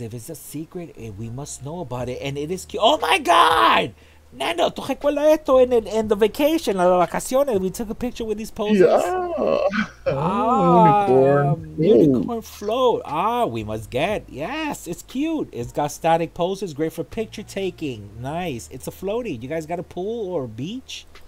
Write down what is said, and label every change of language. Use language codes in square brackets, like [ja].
[en] If it's a secret, we must know about it. And it is cute. Oh my God! [es] Nando, ¿tú recuerdas esto en [en] the vacation, [es] la vacación? [en] We took a picture with these poses. Yeah. Unicorn. Unicorn float. We must get. Yes, it's cute. It's got static poses. Great for picture taking. Nice. It's a floaty. You guys got a pool or a beach?